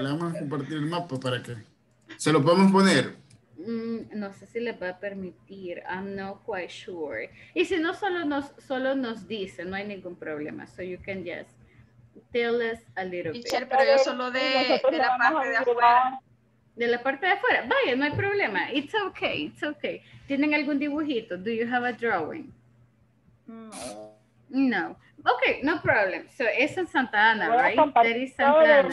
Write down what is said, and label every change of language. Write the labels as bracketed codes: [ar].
[es] Le vamos a compartir el mapa para que se lo podamos poner. No sé si le va a permitir. [en] I'm not quite sure. [es] Y si no, solo nos dice, no hay ningún problema. [en] So you can just tell us a little bit. [es] Teacher, pero yo solo de la parte de afuera. De la parte de afuera. Vaya, no hay problema. [en] It's okay, it's okay. [es] ¿Tienen algún dibujito? [en] Do you have a drawing? No. Okay, no problem. So [es] es en [en] Santa Ana, right? That is Santa Ana.